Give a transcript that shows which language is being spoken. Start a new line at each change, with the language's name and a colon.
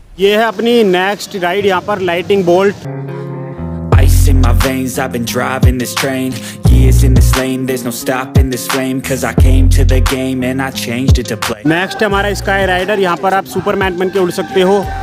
Hindi: ये है अपनी नेक्स्ट राइड यहाँ पर, lighting bolt.
English: Ice in my veins, I've been driving this train. Years in this lane, there's no stopping this flame. Cause I came to the game and I changed it to play.
Hindi: Next हमारा sky rider, यहाँ पर आप Superman बन के उड़ सकते हो।